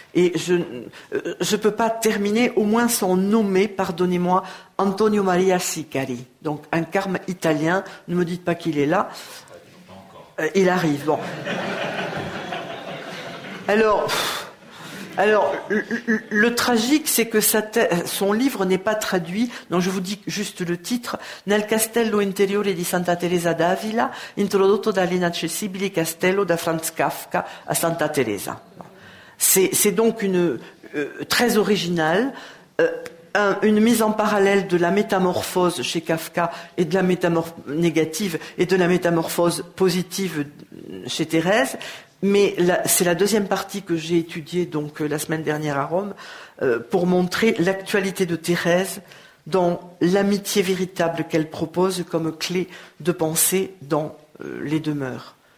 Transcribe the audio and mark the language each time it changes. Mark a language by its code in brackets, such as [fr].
[fr] Et je ne peux pas terminer au moins sans nommer, pardonnez-moi, Antonio Maria Sicari, donc un carme italien. Ne me dites pas qu'il est là. Il arrive, bon. Alors, le tragique, c'est que son livre n'est pas traduit. Donc, je vous dis juste le titre. [it] Nel castello interiore di Santa Teresa d'Avila, introdotto dall'inaccessibile castello da Franz Kafka a Santa Teresa. [fr] C'est donc très original. Une mise en parallèle de la métamorphose chez Kafka et de la métamorphose négative et de la métamorphose positive chez Thérèse. Mais c'est la deuxième partie que j'ai étudiée donc la semaine dernière à Rome pour montrer l'actualité de Thérèse dans l'amitié véritable qu'elle propose comme clé de pensée dans les demeures.